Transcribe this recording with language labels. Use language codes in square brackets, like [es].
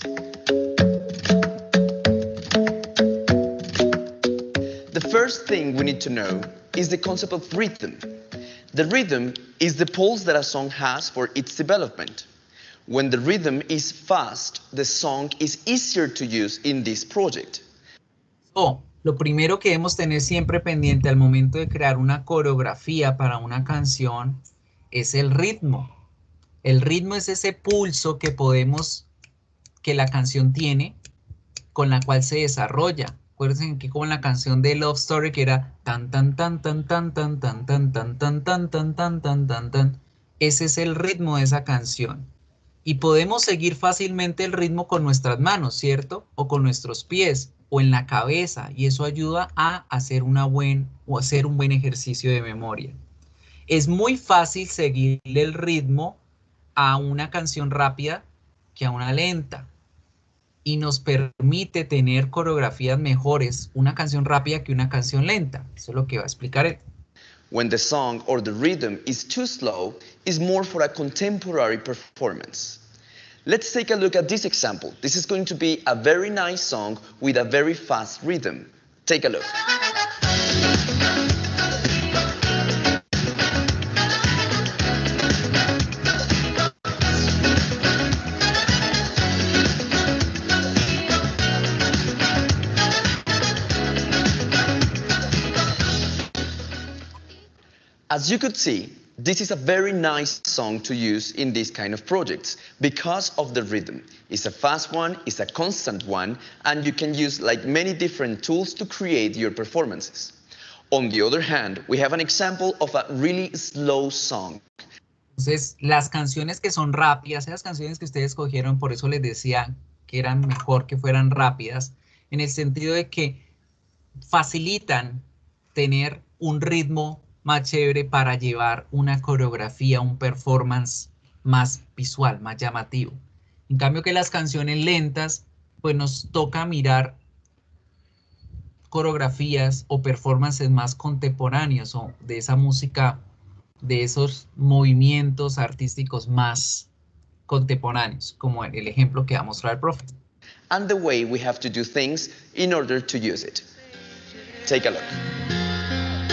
[en] The first thing we need to know is the concept of rhythm. The rhythm is the pulse that a song has for its development. When the rhythm is fast, the song is easier to use in this project. [es] So, lo primero que debemos tener siempre pendiente al momento de crear una coreografía para una canción es el ritmo. El ritmo es ese pulso que podemos, que la canción tiene, con la cual se desarrolla. Acuérdense que como la canción de Love Story, que era tan tan tan tan tan tan tan tan tan tan tan tan tan tan tan tan. Ese es el ritmo de esa canción. Y podemos seguir fácilmente el ritmo con nuestras manos, ¿cierto? O con nuestros pies, o en la cabeza, y eso ayuda a hacer un buen ejercicio de memoria. Es muy fácil seguirle el ritmo a una canción rápida que a una lenta y nos permite tener coreografías mejores una canción rápida que una canción lenta. Eso es lo que va a explicar él. [en] When the song or the rhythm is too slow, it's more for a contemporary performance. Let's take a look at this example. This is going to be a very nice song with a very fast rhythm. Take a look. Listen. As you could see, this is a very nice song to use in these kind of projects because of the rhythm. It's a fast one, it's a constant one, and you can use like many different tools to create your performances. On the other hand, we have an example of a really slow song. [es] Entonces, las canciones que son rápidas, esas canciones que ustedes escogieron, por eso les decía que eran mejor que fueran rápidas, en el sentido de que facilitan tener un ritmo más chévere para llevar una coreografía, un performance más visual, más llamativo. En cambio que las canciones lentas, pues nos toca mirar coreografías o performances más contemporáneos o de esa música, de esos movimientos artísticos más contemporáneos, como el ejemplo que va a mostrar el profe. [en] And the way we have to do things in order to use it. Take a look.